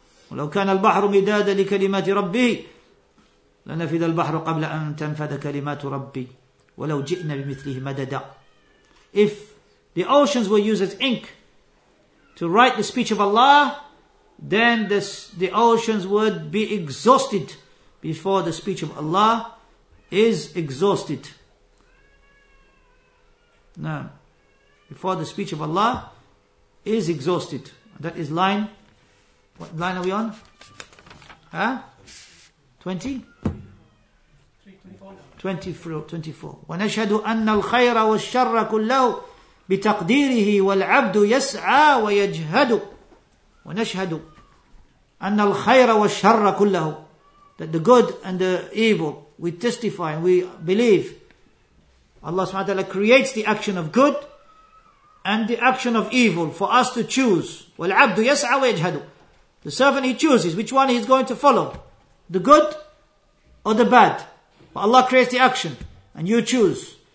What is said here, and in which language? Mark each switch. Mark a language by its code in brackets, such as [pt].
[ar] وَلَوْ كَانَ الْبَحْرُ مِدَادَ لِكَلِمَاتِ رَبِّهِ لنفذ البحر قبل أن تنفذ كلمات ربي ولو جئنا بمثله مددا. [en] If the oceans were used as ink to write the speech of Allah, then the oceans would be exhausted before the speech of Allah is exhausted. No. Before the speech of Allah is exhausted. That is line. What line are we on? 20? 24. [ar] ونشهد أن الخير والشر كله بتقديره والعبد يسعى ويجهد. ونشهد أن الخير والشر كله. [en] That the good and the evil, we testify, we believe Allah subhanahu wa ta'ala creates the action of good and the action of evil for us to choose. [ar] وَالْعَبْدُ يَسْعَى وَيَجْهَدُ [en] The servant, he chooses which one he's going to follow. The good or the bad. But Allah creates the action and you choose.